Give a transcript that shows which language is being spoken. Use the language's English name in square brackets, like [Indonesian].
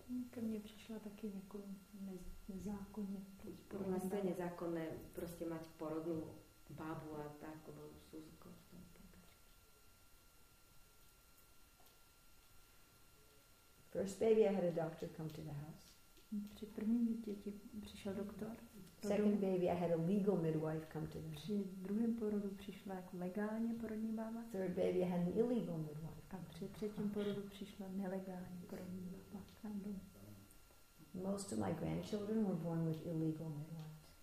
[Czech] Ke mně přišla taky někdo nezákonně. Pro nás to je nezákonné prostě mať porodnou bábu a tak, bo jsou z kostom. [English] First baby I had a doctor come to the house. [Czech] Při prvním dítěti přišel doktor. [English] Second baby I had a legal midwife come to the house. [Czech] Při druhém porodu přišla jako legálně porodní bába. [English] Third baby I had an illegal midwife. [Czech] A při třetím porodu přišla nelegálně porodní bába. [English] Most of my grandchildren were born with illegal midwives.